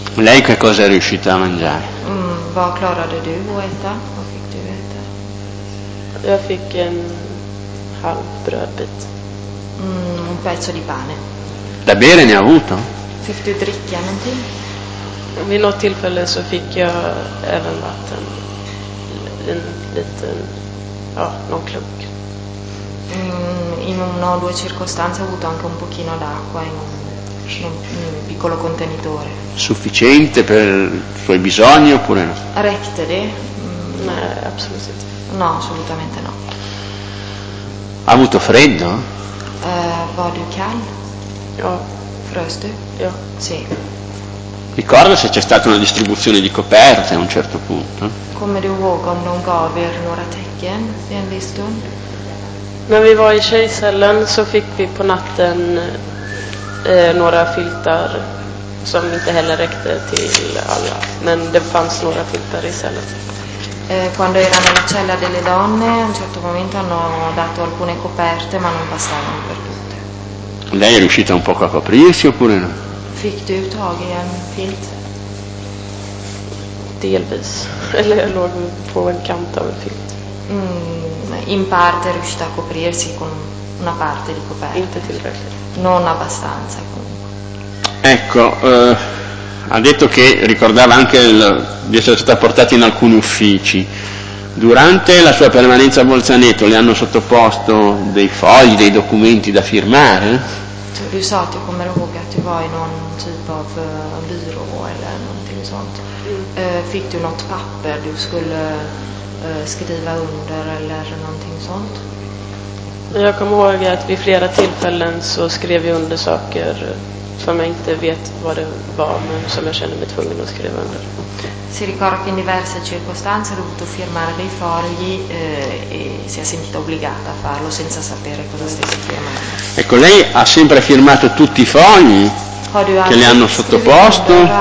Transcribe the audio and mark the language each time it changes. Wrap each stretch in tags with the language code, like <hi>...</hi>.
<it>Lei che cosa è riuscita a mangiare?</it> <sv>Vad klarade du att äta? Vad fick du äta? Jag fick en halv brödbit.</sv> <it>Un pezzo di pane. Da bere ne ha avuto?</it> <sv>Fick du dricka någonting? Vid något tillfälle så fick jag även vatten. En liten, ja, någon klunk.</sv> <it>In una o due circostanze ho avuto anche un pochino d'acqua in un piccolo contenitore. Sufficiente per i suoi bisogni oppure no? Rectere? Assolutamente. No, assolutamente no. Ha avuto freddo?</it> <sv>Var du kall? Ja. Fröst du? Ja.</sv> <it>Sì. Ricorda se c'è stata una distribuzione di coperte a un certo punto?</it> <sv>Come du ihåg om någon gav er några täcken vid en viss stund? När vi var i tjejcellen så fick vi på natten några filtar som inte heller räckte till alla, men det fanns några filtar i cellen.</sv> <it>Quando erano nella cella delle donne, a un certo momento hanno dato alcune coperte, ma non bastavano per tutte. Lei è riuscita un po' a coprirsi oppure no?</it> <sv>Fick du tag i en filt? Delvis. Eller jag låg på en kant av en filt.</sv> <it>In parte riuscita a coprirsi con una parte di coperta.</it> <sv>Inte tillräckligt.</sv> <it>Non abbastanza comunque. Ecco, ha detto che ricordava anche di essere stata portata in alcuni uffici. Durante la sua permanenza a Bolzaneto le hanno sottoposto dei fogli, dei documenti da firmare?</it> <sv>Du sa att jag kommer ihåg att du var i någon typ av byrå eller någonting sånt. Fick du något papper du skulle skriva under eller någonting sånt? Jag kommer ihåg att vid flera tillfällen så skrev jag under saker som jag inte vet vad det var, men som jag kände mig tvungen att skriva under.</sv> <it>Si ricorda che in diverse circostanze ha dovuto firmare dei fogli e si è sentita obbligata a farlo senza sapere cosa stesse firmando. Ecco, lei ha sempre firmato tutti i fogli che le hanno sottoposto?</it>